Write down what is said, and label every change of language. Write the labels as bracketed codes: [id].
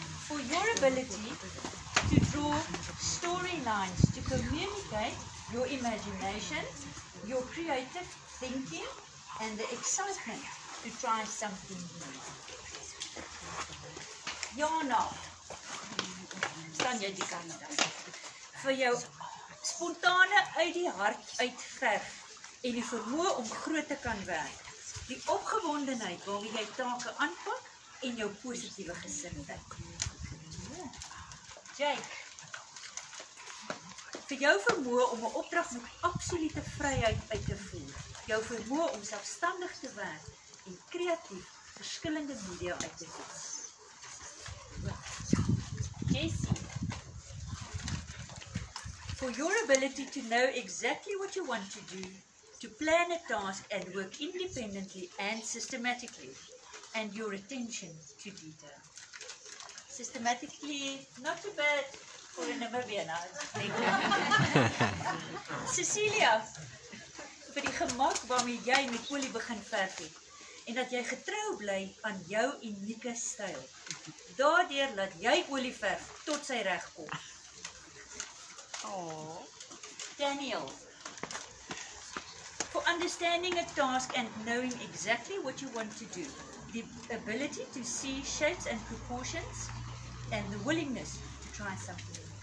[en] For your ability to draw storylines, to communicate your imagination, your creative thinking, and the excitement to try something new. [af] Jana, stand jy die kant daar. Vir jou spontane uit die hart uitverf en die vermoë om groot te kan werk. Die opgewondenheid waarmee jy take aanpak en jou positiewe gesindheid. Jake, vir jou vermoë om 'n opdrag met absolute vryheid uit te voer. Jou vermoë om selfstandig te werk en kreatief verskillende media uit te voer. [en] Jessie, for your ability to know exactly what you want to do, to plan a task and work independently and systematically, and your attention to detail. Systematically, not too bad for a Namibiana. [af] Cecilia, vir die gemak waarmee jy met olie begin verf het, en dat jy getrou bly aan jou unieke styl. Daardeur laat jy olie verf tot sy reg kom. [en] Daniel, for understanding a task and knowing exactly what you want to do, the ability to see shapes and proportions, and the willingness to try something new.